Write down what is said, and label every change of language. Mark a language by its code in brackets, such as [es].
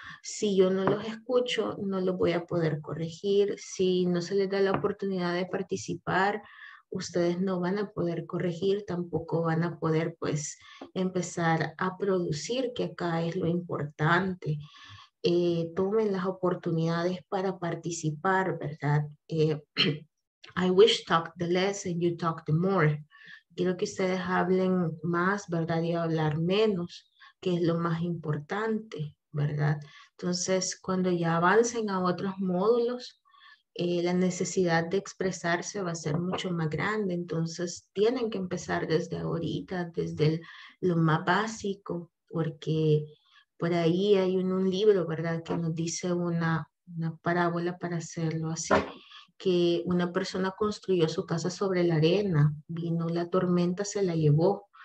[es] Si yo no los escucho, no los voy a poder corregir. Si no se les da la oportunidad de participar, ustedes no van a poder corregir, tampoco van a poder, pues, empezar a producir, que acá es lo importante. Tomen las oportunidades para participar, ¿verdad? [en] I wish talk the less and you talk the more. [es] Quiero que ustedes hablen más, ¿verdad? Y hablar menos, que es lo más importante, ¿verdad? Entonces, cuando ya avancen a otros módulos, la necesidad de expresarse va a ser mucho más grande. Entonces, tienen que empezar desde ahorita, desde lo más básico, porque por ahí hay un libro, ¿verdad?, que nos dice una parábola para hacerlo así, que una persona construyó su casa sobre la arena, vino la tormenta, se la llevó.